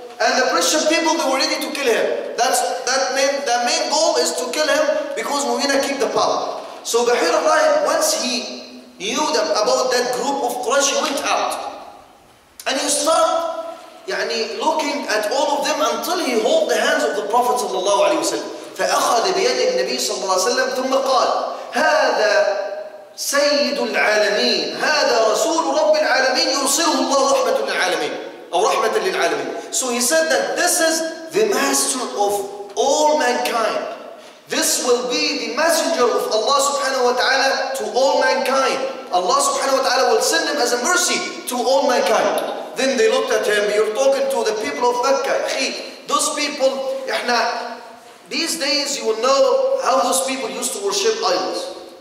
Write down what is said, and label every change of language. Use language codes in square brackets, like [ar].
[en] And the Christian people, they were ready to kill him. That main goal is to kill him, because we're going to keep the power. So Bahir al-Rahim, once he knew them about that group of Quraysh, he went out. And he started يعني, looking at all of them until he held the hands of the Prophet sallallahu alayhi wa sallam. [ar] فَأَخَذَ بِيَدِ النَّبِي صلى الله عليه وسلم ثم قال هذا سيد العالمين هذا رسول رب العالمين يرسله الله رحمة للعالمين أو رحمة للعالمين. [en] So he said that this is the master of all mankind. This will be the messenger of Allah subhanahu wa ta'ala to all mankind. Allah subhanahu wa ta'ala will send him as a mercy to all mankind. Then they looked at him, you're talking to the people of Mecca. Those people, these days you will know how those people used to worship idols.